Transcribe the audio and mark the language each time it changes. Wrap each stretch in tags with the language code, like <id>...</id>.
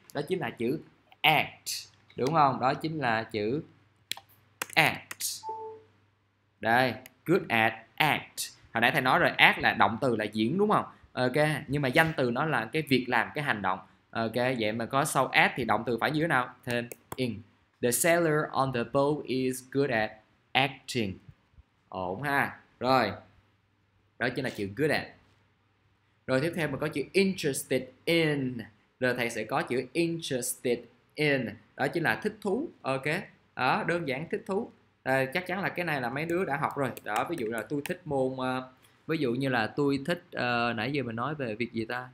<vi>Đó chính là chữ act. Đúng không? Đó chính là chữ act.</vi> <en>Đây, good at, act.</en> <vi>Hồi nãy thầy nói rồi, act là động từ là diễn đúng không? Ok, nhưng mà danh từ nó là cái việc làm, cái hành động. Ok, vậy mà có sau act thì động từ phải như thế nào? Thêm ing.</vi> <en>The sailor on the boat is good at acting.</en> <vi>Ổn ha. Rồi, đó chính là chữ good at. Rồi tiếp theo mình có chữ interested in. Rồi thầy sẽ có chữ interested in. Đó chính là thích thú. Ok, đó, đơn giản thích thú. Chắc chắn là cái này là mấy đứa đã học rồi. Đó, ví dụ là tôi thích môn ví dụ như là tôi thích nãy giờ mình nói về việc gì ta?</vi>